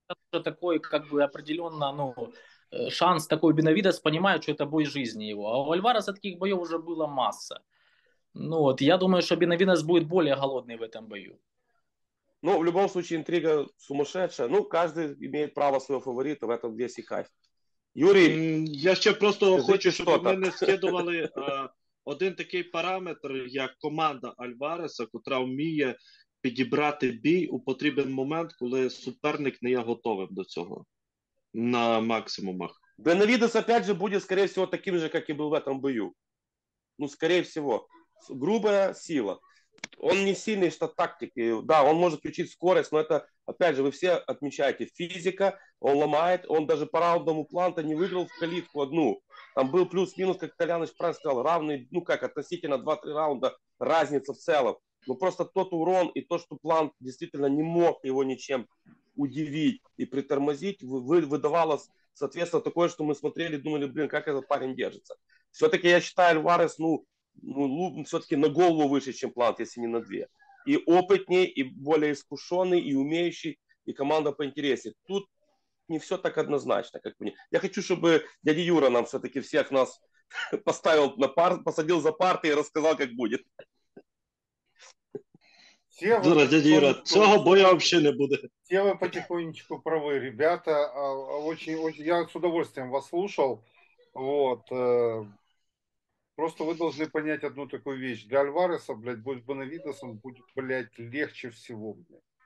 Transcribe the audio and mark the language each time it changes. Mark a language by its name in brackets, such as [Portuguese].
[Russian] Это такой, как бы, определенно, ну, шанс такой. Бенавидес понимает, что это бой жизни его. А у Альвареса таких боев уже было масса. Ну вот, я думаю, что Бенавидес будет более голодный в этом бою. Ну, в любом случае, интрига сумасшедшая. Ну, каждый имеет право своего фаворита, в этом весь и кайф. [Ukrainian] Юрій, я ще просто хочу, щоб ми не скидували один такий параметр, як команда Альвареса, котра вміє підібрати бій у потрібен момент, коли суперник не є готовим до цього на максимумах. Бенавідес, [Russian] опять же, [Ukrainian] буде, скоріше всього, таким же, як і був в цьому бою. Ну, скоріше всього, груба сила. [Russian] Он не сильный, что тактики. Да, он может включить скорость, но это, опять же, вы все отмечаете, физика, он ломает, он даже по раундному плану не выиграл в калитку одну. Там был плюс-минус, как Толяныч правильно сказал, равный, ну как, относительно 2-3 раунда разница в целом. Но просто тот урон и то, что план действительно не мог его ничем удивить и притормозить, выдавало, соответственно, такое, что мы смотрели, думали, блин, как этот парень держится. Все-таки я считаю, Альварес, ну, все-таки на голову выше, чем Плант, если не на две. И опытнее, и более искушенный, и умеющий, и команда поинтереснее. Тут не все так однозначно, как мне. Я хочу, чтобы дядя Юра нам все-таки всех нас поставил на пар, посадил за парты и рассказал, как будет. [Ukrainian] Зараз, дядя Юра, цього боя [Russian] вообще [Ukrainian] не буде. [Russian] Все вы потихонечку правы, ребята. Очень, я с удовольствием вас слушал. Вот. Просто вы должны понять одну такую вещь. Для Альвареса, блядь, будь Бенавидесом, будет, блядь, легче всего. Блядь.